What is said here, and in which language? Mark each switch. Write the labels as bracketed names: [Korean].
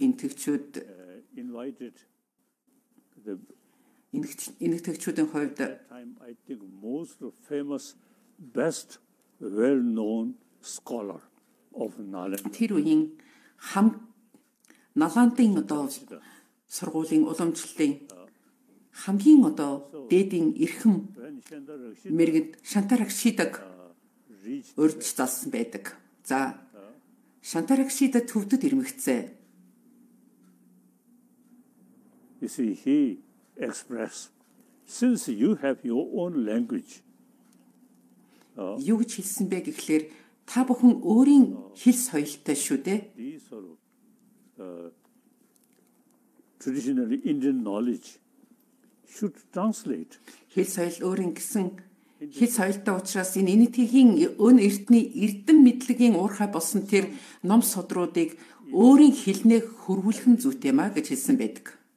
[Mongolian] Энэтхэгчүүд энэтхэгчүүдийн хувьд [English] most famous, best, well-known scholar of Nalanda. [Mongolian] Тэр үеийн Nalanda-ын одоо сургуулийн уламжлалын хамгийн одоо дээдийн эрхэм мэрэгд Шантаракшидаг өрч залсан байдаг. За Шантаракшида төвдөд ирмэгцээ. [English] You see, he expressed, since you have your own language, [Mongolian] юу гэж хэлсэн бэ гэхлээр та бүхэн өөрийн хэл соёлтой шүү дээ. [English] Traditionally Indian knowledge should translate. [Mongolian] Хэл соёл өөрийн гэсэн хэл соёлтой учраас энэ Энэтхэгийн өн эртний эрдэм мэдлэгийн уурхай болсон тэр ном содруудыг өөрийн хэлнээ хөрвүүлэх нь зүйтэй ма гэж хэлсэн байдаг.